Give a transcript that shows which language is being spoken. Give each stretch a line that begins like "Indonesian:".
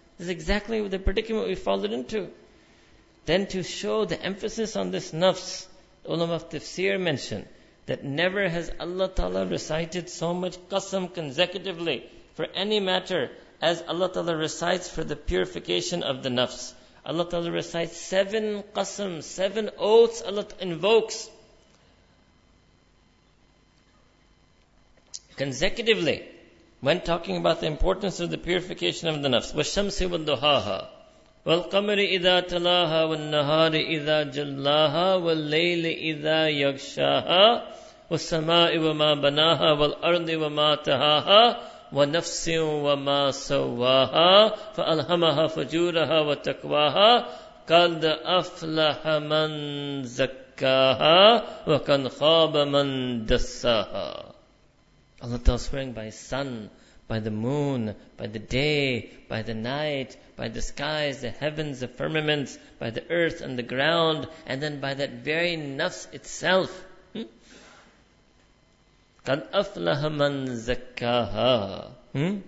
English: This is exactly the predicament we've fallen into. Then to show the emphasis on this nafs, ulama of tafsir mentioned that never has Allah Ta'ala recited so much qasam consecutively for any matter as Allah Ta'ala recites for the purification of the nafs. Allah Ta'ala recites 7 qasam, 7 oaths Allah invokes consecutively when talking about the importance of the purification of the nafs.
Arabic: وَالشَّمْسِ وَالْضُحَاهَا وَالْقَمْرِ إِذَا تَلَاهَا وَالنَّهَارِ إِذَا جَلَّاهَا وَالْلَيْلِ إِذَا يَغْشَاهَا وَالسَّمَاءِ وَمَا بَنَاهَا وَالْأَرْضِ وَمَا تَهَاهَا وَنَفْسٍ وَمَا سَوَّاهَا فَأَلْهَمَهَا فُجُورَهَا وَتَقْوَاهَا قَدْ أَفْلَحَ مَنْ زَكَّاهَا وَقَدْ خَابَ مَنْ دَسَّاهَا.
English: Allah Ta'ala swearing by His Son, by the moon, by the day, by the night, by the skies, the heavens, the firmaments, by the earth and the ground, and then by that very nafs itself.
Arabic: قَدْ أَفْلَحَ مَنْ زَكَّاهَا.